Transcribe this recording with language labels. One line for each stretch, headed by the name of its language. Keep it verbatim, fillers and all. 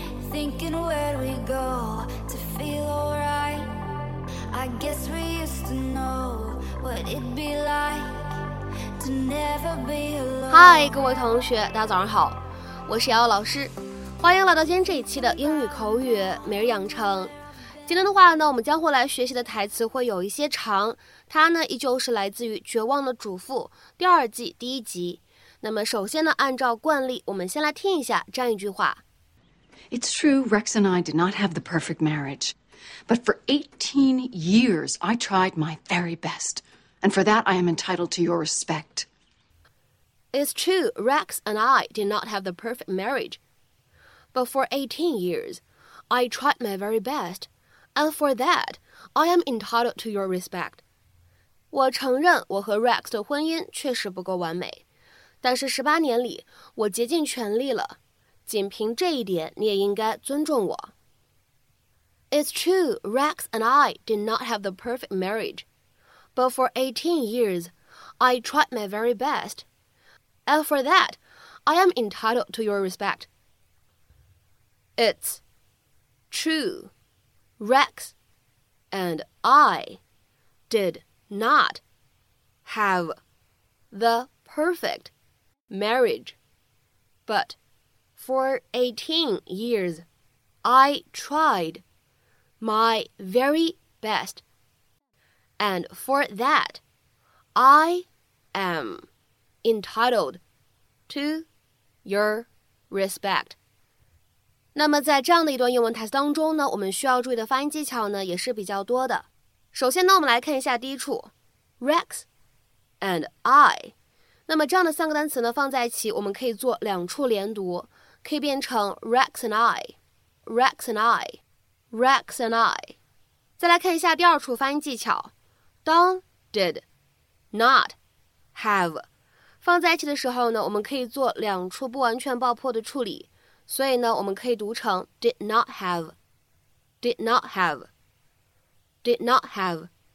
English: thinking where we go to feel alright. I guess we used to know what it'd be like to never be alone.
Chinese: 嗨，各位同学，大家早上好，我是瑶瑶老师，欢迎来到今天这一期的英语口语每日养成。今天的话呢，我们将会来学习的台词会有一些长，它呢依旧是来自于《绝望的主妇》第二季第一集。那么首先呢，按照惯例，我们先来听一下这样一句话。
English: It's true, Rex and I did not have the perfect marriage, but for eighteen years I tried my very best, and for that I am entitled to your respect. It's true, Rex and I did not have the perfect marriage, but for eighteen years I tried my very best, and for that I am entitled to your respect.
Chinese: 我承认我和 Rex 的婚姻确实不够完美，但是十八年里我竭尽全力了。仅凭这一点，你也应该尊重我。
English: It's true, Rex and I did not have the perfect marriage, but for eighteen years, I tried my very best, and for that, I am entitled to your respect. It's true, Rex and I did not have the perfect marriage, but... For eighteen years, I tried my very best, and for that, I am entitled to your respect.
Chinese: 那么在这样的一段英文台词当中呢，我们需要注意的发音技巧呢也是比较多的。首先呢，我们来看一下第一处 Rex and I。那么这样的三个单词呢放在一起，我们可以做两处连读。可以变成 Rex and I, Rex and I, Rex and I。再来看一下第二处发音技巧 ， Don did not have 放在一起的时候呢，我们可以做两处不完全爆破的处理，所以呢，我们可以读成 did not have, did not have, did not have。